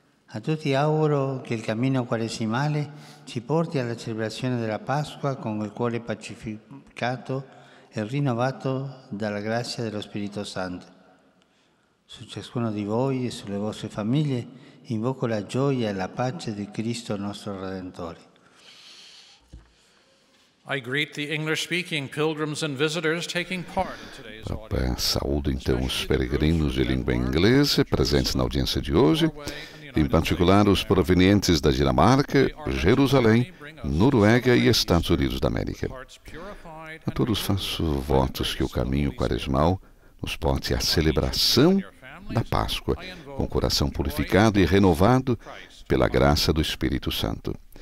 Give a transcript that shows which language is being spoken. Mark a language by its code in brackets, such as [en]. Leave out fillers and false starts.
[it] A tutti auguro que o caminho quaresimale ci porti alla celebrazione della Pasqua com o cuore pacificato e rinnovato dalla grazia dello Spirito Santo. Su ciascuno di voi e sulle vostre famiglie invoco la gioia e la pace di Cristo nostro Redentore. [en] I greet the English-speaking pilgrims and visitors taking part in today's audience. [pt] Saúdo então os peregrinos de língua inglesa presentes na audiência de hoje, em particular os provenientes da Dinamarca, Jerusalém, Noruega e Estados Unidos da América. A todos faço votos que o caminho quaresmal nos porte à celebração da Páscoa, com o coração purificado e renovado pela graça do Espírito Santo.